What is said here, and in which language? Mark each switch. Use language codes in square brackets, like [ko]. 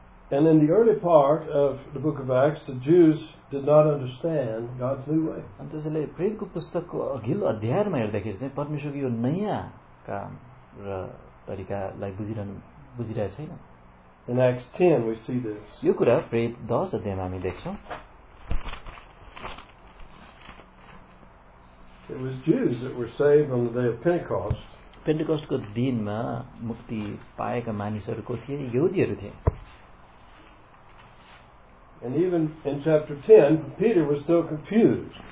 [en] And in the early part of the book of Acts, the Jews did not understand God's new way. [ne] अनि त्यसैले प्रेरितको पुस्तकको अघिल्लो अध्यायमा हेर्दाखेरि चाहिँ परमेश्वरको यो नयाँ काम र तरिकालाई बुझिरहेको छैन. [en] In Acts 10, we see this. [ne] यो कुरा प्रेरित 10 अध्यायमा हामी देख्छौँ. [en] It was Jews that were saved on the day of Pentecost. [ne] पेन्टेकोस्टको दिनमा मुक्ति पाएका मानिसहरूको थिए, यहुदीहरू थिए. [en] And even in chapter 10, Peter was still confused.